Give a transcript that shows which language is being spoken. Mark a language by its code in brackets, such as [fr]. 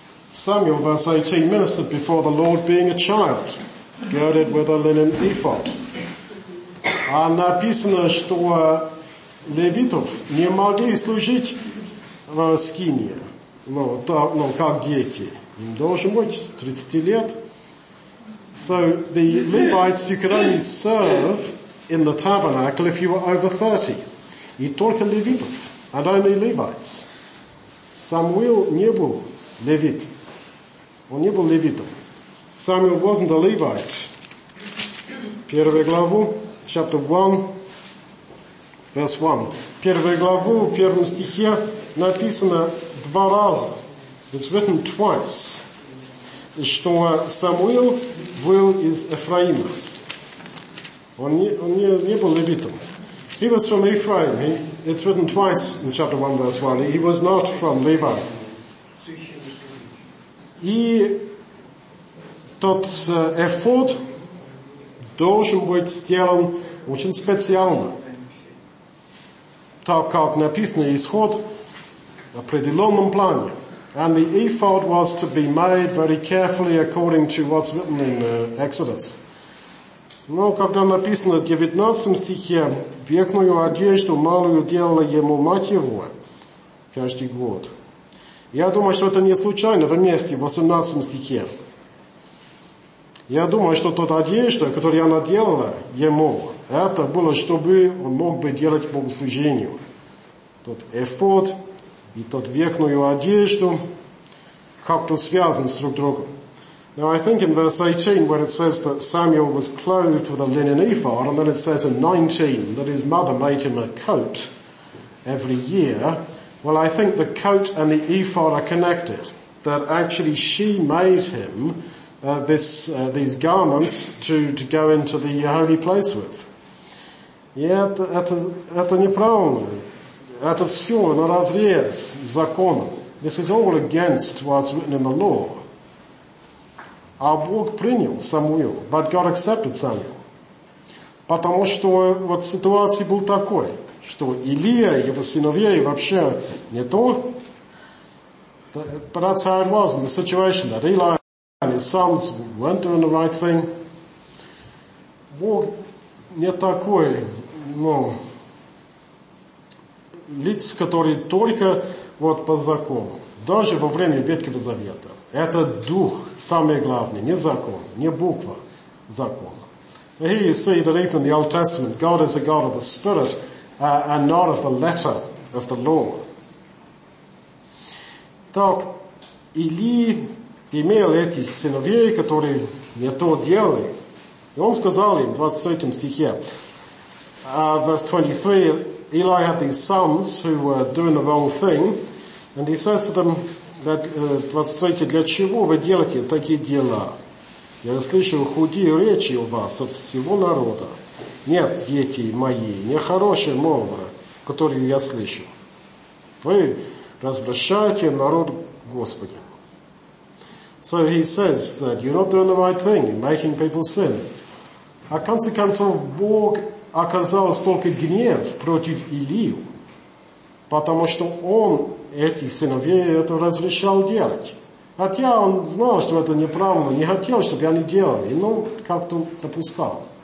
[en] Samuel, verse 18, ministered before the Lord being a child, girded with a linen ephod. [ru] А написано, что левитов не могли служить в скинии. Ну, как дети. Им должен быть 30 лет. [en] So the Levites, you could only serve in the tabernacle if you were over 30. [ru] И только левитов, [en] and only Levites. [ru] Самуил не был левит. Он не был левитом. [en] Samuel wasn't a Levite. [ru] Первую главу, [en] chapter 1, verse 1. [ru] Первую главу, в первом стихе написано два раза. [en] It's written twice. [ru] Что Самуил был из Ефраима. Он не был левитом. [en] He was from Ephraim. It's written twice in chapter 1, verse 1. He was not from Levi. [ru] И тот эфод должен быть сделан очень специально. Так как написано исход в определенном плане. [en] And the ephod was to be made very carefully according to what's written in Exodus. [ru] Но когда написано в 19 стихе, верхнюю одежду малую делала ему мать его каждый год. Я думаю, что это не случайно в месте в 18 стихе. Я думаю, что тот одежда, которую она делала ему, это было, чтобы он мог бы делать богослужение. Тот эфод и тот верхнюю одежду как-то связан с друг другом. [en] Now I think in verse 18 when it says that Samuel was clothed with a linen ephod, and then it says in 19 that his mother made him a coat every year, well, I think the coat and the ephod are connected, that actually she made him these garments to go into the holy place with. [ru] Это неправильно. Это все на разрез закона. [en] This is all against what's written in the law. [ru] А Бог принял Самуил. [en] But God accepted Samuel. [ru] Потому что вот ситуация была такой, что Илия и его сыновья вообще не то. [en] But that's how it was in the situation that Eli and his sons weren't doing the right thing. [ru] Бог не такой, ну, лиц, которые только вот по закону, даже во время Ветхого Завета. Это дух, самое главное, не закон, не буква закона. [en] Here you see that even in the Old Testament, God is a God of the Spirit and not of the letter of the law. [ru] Так, Или имел этих сыновей, которые не то делали, и он сказал им в 23 стихе, [en] verse 23, Eli had these sons who were doing the wrong thing, and he says to them, 23, [ru] для чего вы делаете такие дела? Я слышал худые речи у вас от всего народа. Нет, дети мои, нехорошая мова, которую я слышу. Вы развращаете народ Господа. [en] So he says that you're not doing the right thing, you're making people sin. [ru] А в конце концов, Бог оказал столько гнев против Илию, потому что он этих сыновей это разрешал делать. Хотя он знал, что это неправильно, не хотел, чтобы они делали, но как-то допускал.